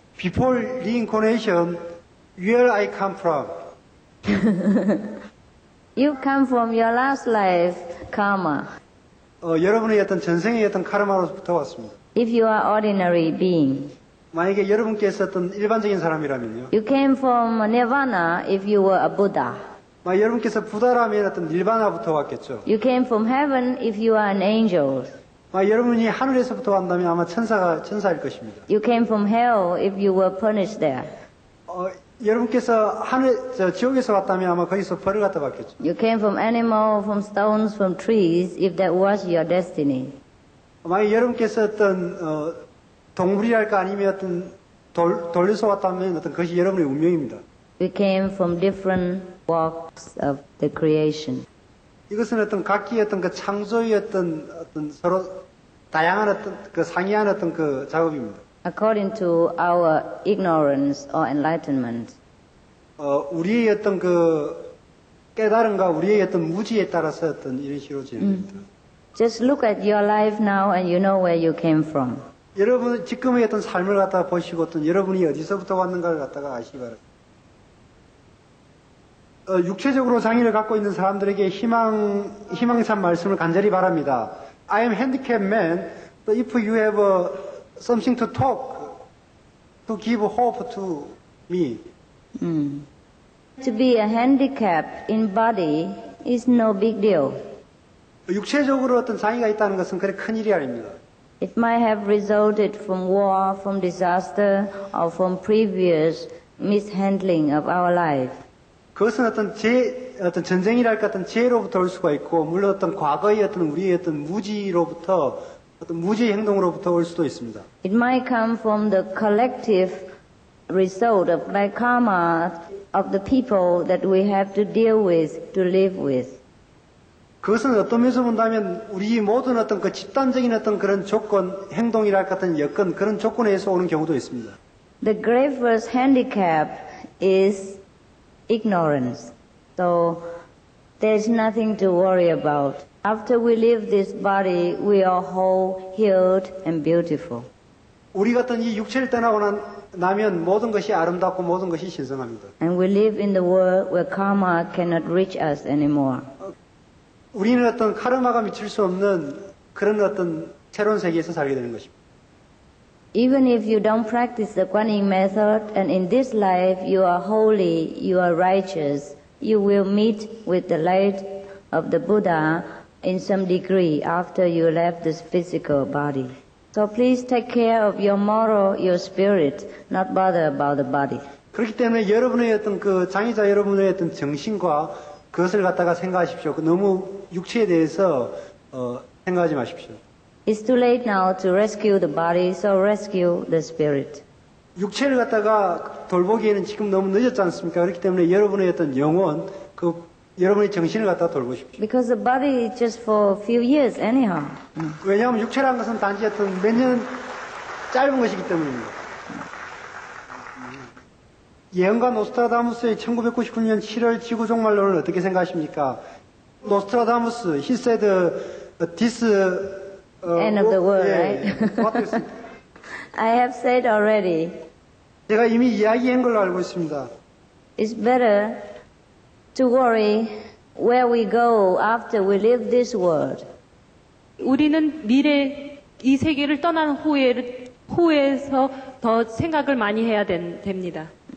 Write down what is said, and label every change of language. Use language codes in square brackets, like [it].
[en] Before reincarnation, where I come from? You come from your last life karma. [ko] 여러분의 어떤 전생의 어떤 카르마로부터 왔습니다. [en] If you are ordinary being. [ko] 만약에 여러분께서 어떤 일반적인 사람이라면요. [en] You came from Nirvana if you were a Buddha. [ko] 만약 여러분께서 부다라면 어떤 닐바나부터 왔겠죠. [en] You came from heaven if you are an angel. [ko] 만약 여러분이 하늘에서부터 왔다면 아마 천사일 것입니다. [en] You came from hell if you were punished there. [ko] 여러분께서 지옥에서 왔다면 아마 거기서 벌을 갖다 받겠죠. [en] You came from animal, from stones, from trees if that was your destiny. [ko] 만약 여러분께서 어떤 동물이랄까 아니면 어떤 돌에서 왔다면 어떤 것이 여러분의 운명입니다. [en] We came from different walks of the creation. [ko] 이것은 어떤 각기 어떤 그 창조의 어떤 서로 다양한 어떤 그 상이한 어떤 그 작업입니다. [en] According to our ignorance or enlightenment. [ko] 우리의 어떤 그 깨달음과 우리의 어떤 무지에 따라서 어떤 이런 식으로 진행됩니다. [en] Just look at your life now and you know where you came from. [ko] 여러분 지금의 어떤 삶을 갖다 보시고 어떤 여러분이 어디서부터 왔는가를 갖다가 아시기 바랍니다. 육체적으로 장애를 갖고 있는 사람들에게 희망찬 말씀을 간절히 바랍니다. [en] I am handicapped man, but if you have something to talk, to give hope to me. To be a handicap in body is no big deal. [ko] 육체적으로 어떤 장애가 있다는 것은 그리 큰 일이 아닙니다. [en] It might have resulted from war, from disaster, or from previous mishandling of our life. [ko] 그것은 어떤 전쟁이랄까 어떤 지혜로부터 올 수가 있고 물론 어떤 과거의 어떤 우리의 어떤 무지로부터 어떤 무지의 행동으로부터 올 수도 있습니다. [en] It might come from the collective result of my karma of the people that we have to deal with, to live with. [ko] 그것은 어떤 면에서 본다면 우리 모든 어떤 그 집단적인 어떤 그런 조건, 행동이랄까 어떤 여건, 그런 조건에서 오는 경우도 있습니다. [en] The gravest handicap is ignorance. So there's nothing to worry about. After we leave this body, we are whole, healed, and beautiful. [ko] 우리 같은 이 육체를 떠나고 나면 모든 것이 아름답고 모든 것이 신성합니다. [en] And we live in the world where karma cannot reach us anymore. [ko] 우리는 어떤 카르마가 미칠 수 없는 그런 어떤 새로운 세계에서 살게 되는 것입니다. [en] Even if you don't practice the Guan Yin method, and in this life you are holy, you are righteous, you will meet with the light of the Buddha in some degree after you left this physical body. So please take care of your moral, your spirit, not bother about the body. [ko] 그렇기 때문에 여러분의 어떤 그 장애자 여러분의 어떤 정신과 그것을 갖다가 생각하십시오. 너무 육체에 대해서 생각하지 마십시오. [en] It's too late now to rescue the body, so rescue the spirit. [ko] 육체를 갖다가 돌보기에는 지금 너무 늦었지 않습니까? 그렇기 때문에 여러분의 어떤 영혼, 그 여러분의 정신을 갖다가 돌보십시오. [en] Because the body is just for a few years anyhow. [ko] 왜냐하면 육체라는 것은 단지 어떤 몇 년 짧은 것이기 때문입니다. 예언가 노스트라다무스의 1999년 7월 지구 종말론을 어떻게 생각하십니까? [en] 노스트라다무스, he said this End of the world, [ko] 예, [en] right? I have said already. [ko] 제가 이미 이야기한 걸로 알고 있습니다. [en] It's better to worry where we go after we leave this world. [ko] 우리는 미래 이 세계를 떠난 후에서 더 생각을 많이 해야 됩니다.